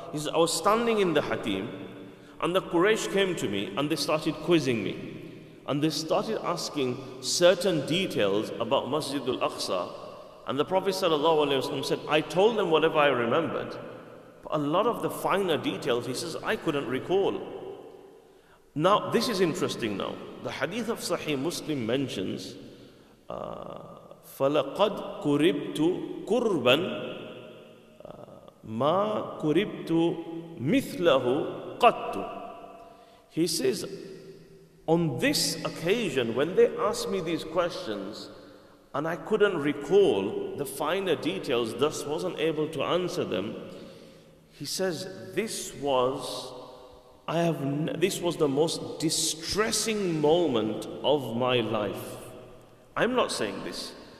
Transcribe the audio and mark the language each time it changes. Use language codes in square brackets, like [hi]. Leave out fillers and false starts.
[en] He says, I was standing in the Hatim, and the Quraysh came to me, and they started quizzing me. And they started asking certain details about Masjid al-Aqsa. And the Prophet sallallahu alayhi wa sallam said, I told them whatever I remembered. But a lot of the finer details, he says, I couldn't recall. Now, this is interesting now. The hadith of Sahih Muslim mentions, [ar] فَلَقَدْ كُرِبْتُ كُرْبًا مَا كُرِبْتُ مِثْلَهُ قَطُّ. [en] He says, on this occasion, when they asked me these questions, and I couldn't recall the finer details, thus wasn't able to answer them, he says, this was the most distressing moment of my life. I'm not saying this.